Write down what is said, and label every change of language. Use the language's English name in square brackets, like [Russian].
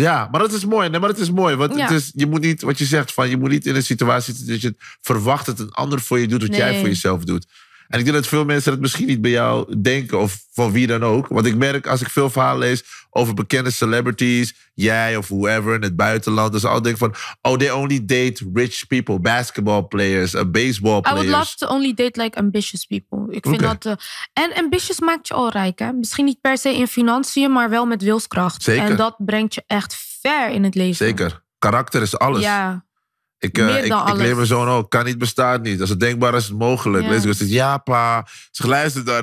[Dutch] Ja, maar dat is mooi. Nee, maar dat is mooi. Want het is, je moet niet, wat je zegt, van je moet niet in een situatie zitten dat je verwacht dat een ander voor je doet wat jij voor jezelf doet. En ik denk dat veel mensen dat misschien niet bij jou denken of van wie dan ook. Want ik merk als ik veel verhalen lees over bekende celebrities, jij of whoever in het buitenland, dat ze altijd denken van, [English] oh, they only date rich people, basketball players, baseball players. I would love to only date like ambitious people. [Dutch] Ik vind dat... En ambitious maakt je al rijk, hè? Misschien niet per se in financiën, maar wel met wilskracht. Zeker. En dat brengt je echt ver in het leven. Zeker. Karakter is alles. Ja. Ik leer mijn zoon ook. Kan niet, bestaat niet. Als het denkbaar is, het mogelijk. Ja. Dus ja, pa. Ze luistert daar.